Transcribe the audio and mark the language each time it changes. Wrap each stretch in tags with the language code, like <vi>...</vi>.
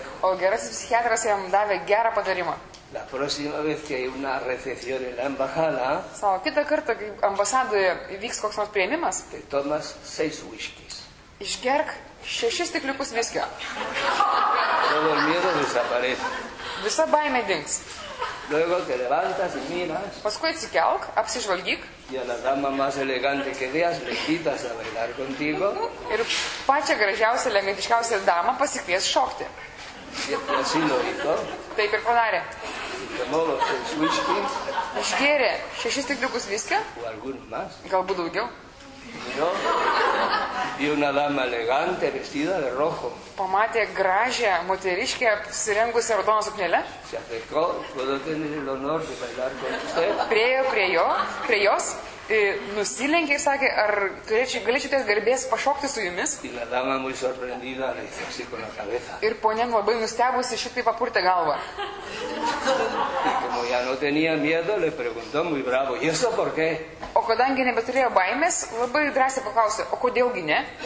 <lt>O gerasis psichiatras jam davė gerą patarimą.</lt> <es>La próxima vez que hay una recepción en la embajada,</es> <lt>savo kitą kartą, kai ambasadoje vyks koks nors priėmimas,</lt> <es>tai tomas 6 whiskys.</es> <lt>Išgerk 6 stikliukus viskio.</lt> <es>Todo el miedo desaparece.</es> <lt>Visa baimė dings.</lt> <es>Luego te levantas y miras.</es> <lt>Paskui atsikelk, apsižvalgyk.</lt> <es>Y a la dama más elegante que veas, le invitas a bailar contigo.</es> <lt>Ir pačią gražiausią, elegantiškiausią damą pasikvies šokti.</lt> <es>Y así lo hizo.</es> <lt>Taip ir padarė.</lt> <es>Tomó los 6 whiskies.</es> <lt>Išgėrė 6 stikliukus viskio.</lt> <es>O algunos más.</es> <lt>Galbūt daugiau.</lt> <es>Y no. Y una dama elegante vestida de rojo.</es> <lt>Pamatė gražią moteriškę apsirengusią raudoną suknelę.</lt> <es>Se acercó, puedo tener el honor de bailar con usted.</es> <lt>Priejo prie jo, prie jos, nusilenkė ir sakė, ar galėčiau ties garbės pašokti su jumis.</lt> <es>Y la dama muy sorprendida le hizo así con la cabeza.</es> <lt>Ir ponia labai nustebusi šitai papurtė galvą.</lt> <es>Y como ya no tenía miedo, le preguntó muy bravo, ¿y eso por qué?</es> <lt>O kadangi nebeturėjo baimės, labai drąsiai paklausė, o kodėlgi ne?</lt>